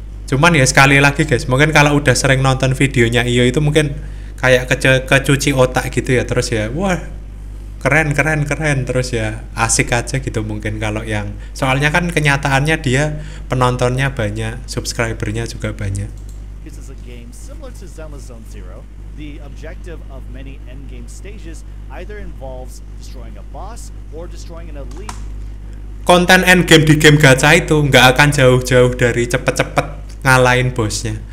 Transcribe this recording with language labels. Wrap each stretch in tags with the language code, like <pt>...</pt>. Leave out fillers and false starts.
<id>Cuman ya sekali lagi guys, mungkin kalau udah sering nonton videonya Io itu mungkin kayak kecuci otak gitu ya, terus ya wah keren keren keren, terus ya asik aja gitu mungkin. Kalau yang soalnya kan kenyataannya dia penontonnya banyak, subscribernya juga banyak.</id> <en>This is a game similar to Zelda Zone Zero. The objective of many end game stages either involves destroying a boss or destroying an elite.</en> <id>Konten end game di game gacha itu nggak akan jauh-jauh dari cepet-cepet ngalahin bosnya.</id>